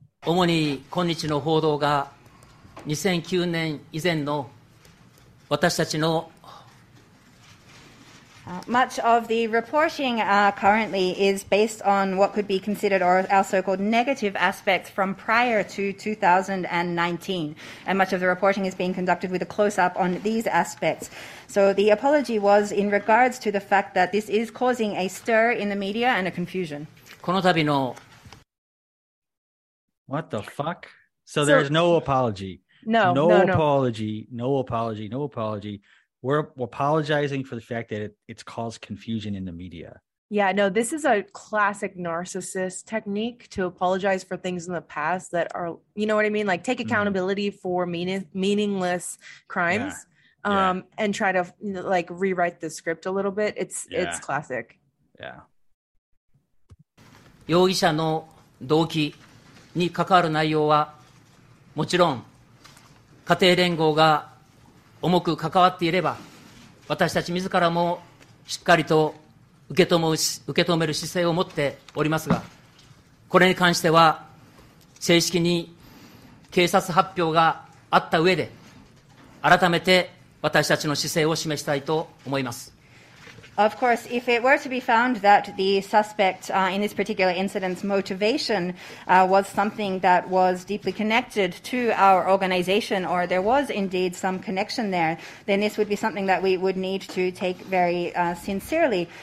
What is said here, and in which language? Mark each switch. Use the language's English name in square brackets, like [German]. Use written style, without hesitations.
[Japanese] 主に今日の報道が2009年以前の私たちの [English] Much of the reporting currently is based on what could be considered or our so-called negative aspects from prior to 2019. And much of the reporting is being conducted with a close-up on these aspects. So the apology was in regards to the fact that this is causing a stir in the media and a confusion. [Japanese] この度の [English] What the fuck? So there's no apology. No apology. We're apologizing for the fact that it's caused confusion in the media. Yeah, no, this is a classic narcissist technique to apologize for things in the past that are, you know what I mean? Like take accountability for meaningless crimes and try to like rewrite the script a little bit. It's classic. Yeah. [Japanese] 容疑者の動機に関わる内容はもちろん家庭連合が重く関わっていれば私たち自らもしっかりと受け止める姿勢を持っておりますが、これに関しては正式に警察発表があった上で、改めて私たちの姿勢を示したいと思います。 [English] Of course, if it were to be found that the suspect in this particular incident's motivation was something that was deeply connected to our organization, or there was indeed some connection there, then this would be something that we would need to take very sincerely.